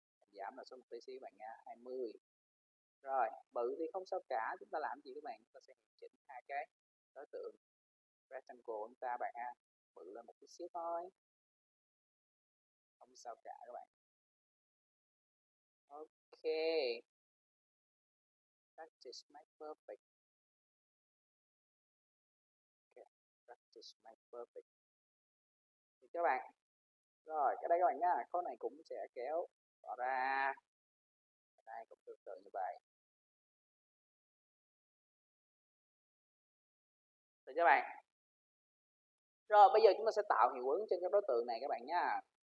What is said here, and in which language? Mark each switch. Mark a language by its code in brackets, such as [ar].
[vi] Giảm là số một tí xíu bạn nha, 20. Rồi, bự thì không sao cả. Chúng ta làm gì các bạn? Chúng ta sẽ chỉnh hai cái đối tượng rectangle của chúng ta bạn ha. Bự lên một tí xíu thôi, không sao cả các bạn. [en] Ok, practice make perfect. Ok, practice make perfect. [vi] Thì các bạn, rồi cái đây các bạn nha, câu này cũng sẽ kéo bỏ ra. Đây cũng tương tự như vậy. Được chưa bạn? Rồi bây giờ chúng ta sẽ tạo hiệu ứng trên các đối tượng này các bạn nha.